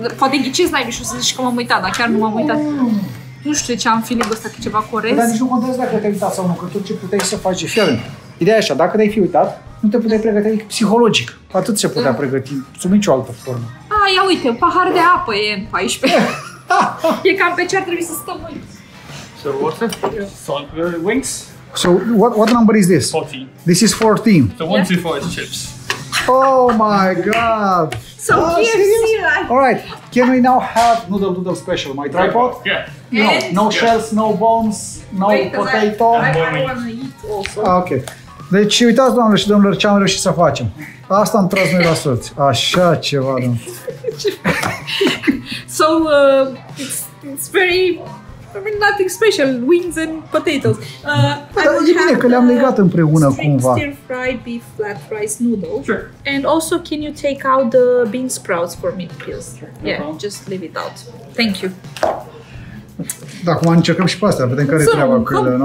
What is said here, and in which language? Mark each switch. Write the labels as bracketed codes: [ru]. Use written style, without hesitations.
[ro] Poate ghicesc, n-ai mișo să zici că m-am uitat, dar chiar nu m-am uitat. Nu știu de ce am feeling ăsta că e ceva cu orez. Dar nici nu contează dacă te-ai uitat sau nu, că tot ce puteai să faci, fii atent. Ideea e așa, dacă te-ai fi uitat, nu te puteai pregăti psihologic. Atât se putea pregăti, sub nicio altă formă. A, ia uite, un pahar de apă e N14. E cam pe ce ar trebui să stăm uite. [en] So what's it? Yeah. Wings. So what number is this? 14. This is 14. So 1, 2, 4 is chips. Oh my god. So KFC, right? All right. Can we now have noodle special? My tripod? Yeah. No, no shells, no bones, no potato. I want to eat also. Okay. [ro] Deci uitați, doamne și domnilor, ce am reușit să facem. Asta am tras noi la sorți. Așa ceva, doamne. [en] So, it's very... I mean, nothing special, wings and potatoes. [ro] Dar e bine că le-am legat împreună cumva. [en] Stir fried beef flat rice noodles. Sure. And also, can you take out the bean sprouts for me, please? Sure. Yeah, no, just leave it out. Thank you. [ro] Da, acum încercăm și pe astea, vedem care e treaba cu ele, nu?